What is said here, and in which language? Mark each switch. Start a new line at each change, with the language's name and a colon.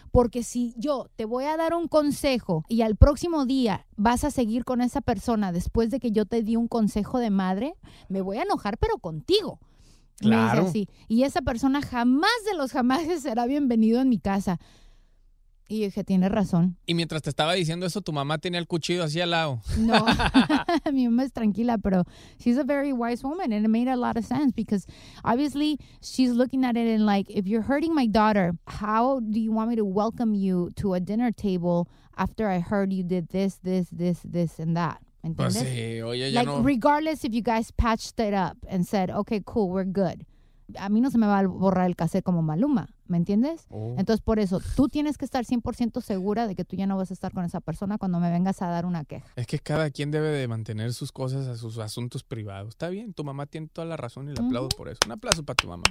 Spanish: Porque si yo te voy a dar un consejo y al próximo día vas a seguir con esa persona después de que yo te di un consejo de madre, me voy a enojar, pero contigo. Claro. Me dice así. Y esa persona jamás de los jamases será bienvenido en mi casa. Y dije, tiene razón. Y mientras te estaba diciendo eso, tu mamá tenía el cuchillo así al lado. No, mi mamá es tranquila, pero
English: she's a very wise woman and it made a lot of sense because obviously she's looking at it and like, if you're hurting my daughter, how do you want me to welcome you to a dinner table after I heard you did this, this, this, this and that?
Spanish: ¿Me entiendes? Pues sí, oye,
English: like, no... regardless if you guys patched it up and said, okay, cool, we're good.
Spanish: A mí no se me va a borrar el cassette como Maluma, ¿me entiendes? Oh. Entonces, por eso, tú tienes que estar 100% segura de que tú ya no vas a estar con esa persona cuando me vengas a dar una queja. Es que cada quien debe de mantener sus cosas a sus asuntos privados. Está bien, tu mamá tiene toda la razón y le aplaudo por eso. Un aplauso para tu mamá.